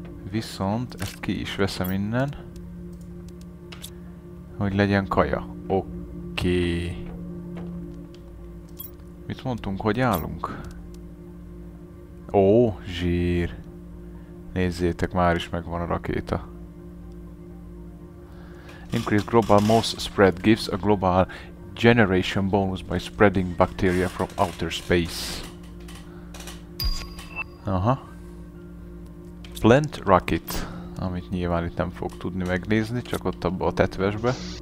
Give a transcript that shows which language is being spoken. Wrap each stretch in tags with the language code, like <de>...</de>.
<hu>Viszont ezt ki is veszem innen, hogy legyen kaja. Oké. Mit mondtunk, hogy állunk? Ó, zsír. Nézzétek, már is megvan a rakéta.</hu> <en>Increase global moss spread gives a global generation bonus by spreading bacteria from outer space.</en> <hu>Aha. Plant rocket, amit nyilván itt nem fog tudni megnézni, csak ott abba a tetvesbe.</hu>